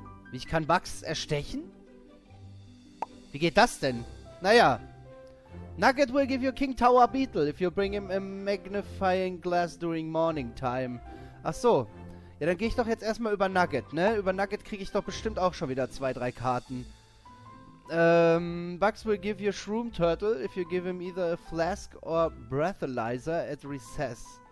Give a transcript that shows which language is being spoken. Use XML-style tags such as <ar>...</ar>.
<de>Ich kann Bugs erstechen? Wie geht das denn? Naja.</de> <en>Nugget will give you King Tower Beetle if you bring him a magnifying glass during morning time.</en> <de>Ach so. Ja, dann gehe ich doch jetzt erstmal über Nugget, ne? Über Nugget kriege ich doch bestimmt auch schon wieder zwei, drei Karten.</de> <en>Bugs will give you Shroom Turtle if you give him either a flask or breathalyzer at recess.</en>